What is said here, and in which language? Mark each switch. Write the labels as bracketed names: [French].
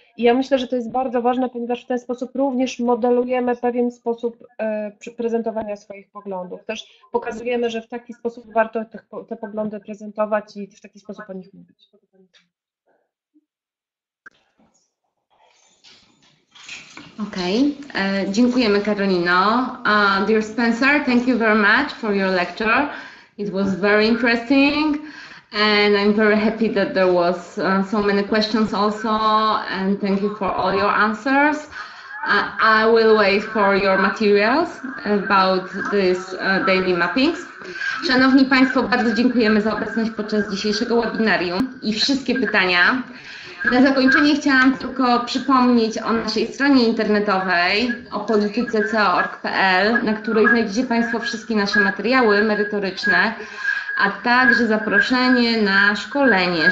[Polish] I ja myślę, że to jest bardzo ważne, ponieważ w ten sposób również modelujemy pewien sposób prezentowania swoich poglądów. Też pokazujemy, że w taki sposób warto te poglądy prezentować i w taki sposób o nich mówić. Okay, dziękujemy Karolino. [English] Dear Spencer, thank you very much for your lecture. It was very interesting and I'm very happy that there was so many questions also, and thank you for all your answers. I will wait for your materials about these daily mappings. [Polish] Szanowni Państwo, bardzo dziękujemy za obecność podczas dzisiejszego webinarium i wszystkie pytania. Na zakończenie chciałam tylko przypomnieć o naszej stronie internetowej, o polityce.co.org.pl, na której znajdziecie Państwo wszystkie nasze materiały merytoryczne, a także zaproszenie na szkolenie.